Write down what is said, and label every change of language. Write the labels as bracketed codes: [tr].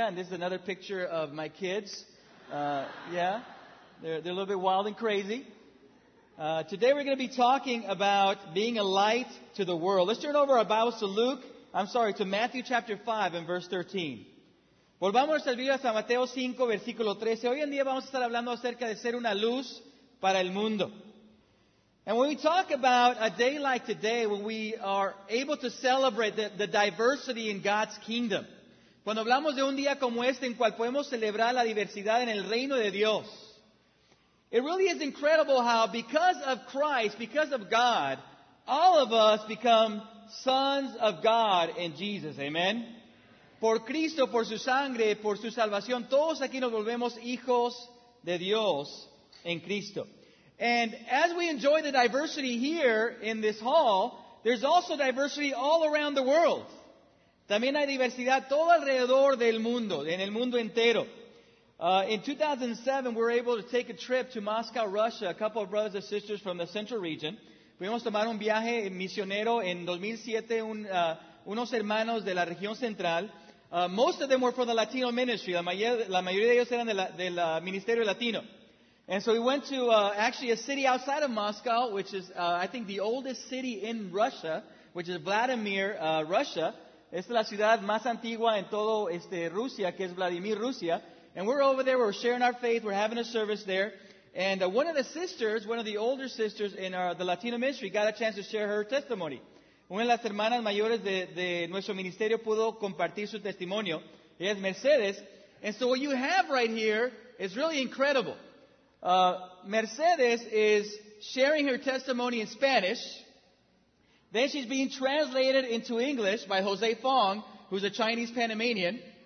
[en] And this is another picture of my kids. They're a little bit wild and crazy. Today we're going to be talking about being a light to the world. Let's turn over our Bibles to Matthew chapter 5 and verse 13. [es] Volvamos a ir a San Mateo 5, versículo 13. Hoy en día vamos a estar hablando acerca de ser una luz para el mundo. [en] And when we talk about a day like today, when we are able to celebrate the diversity in God's kingdom, [es] cuando hablamos de un día como este en cual podemos celebrar la diversidad en el reino de Dios, [en] it really is incredible how, because of Christ, because of God, all of us become sons of God in Jesus. Amen? [es] Por Cristo, por su sangre, por su salvación, todos aquí nos volvemos hijos de Dios en Cristo. [en] And as we enjoy the diversity here in this hall, there's also diversity all around the world. [es] También hay diversidad todo alrededor del mundo, en el mundo entero. [en] In 2007, we were able to take a trip to Moscow, Russia, a couple of brothers and sisters from the central region. [es] Pudimos tomar un viaje misionero en 2007, unos hermanos de la región central. [en] Most of them were from the Latino ministry. [es] La mayoría de ellos eran del Ministerio Latino. [en] And so we went to actually a city outside of Moscow, which is, I think, the oldest city in Russia, which is Vladimir, Russia. [es] Esta es la ciudad más antigua en todo Rusia, que es Vladimir, Rusia. [en] And we're over there, we're sharing our faith, we're having a service there. And one of the sisters, one of the older sisters in the Latino ministry, got a chance to share her testimony. [es] Una de las hermanas mayores de nuestro ministerio pudo compartir su testimonio. Ella es Mercedes. [en] And so what you have right here is really incredible. Mercedes is sharing her testimony in Spanish. Then she's being translated into English by Jose Fong, who's a Chinese Panamanian.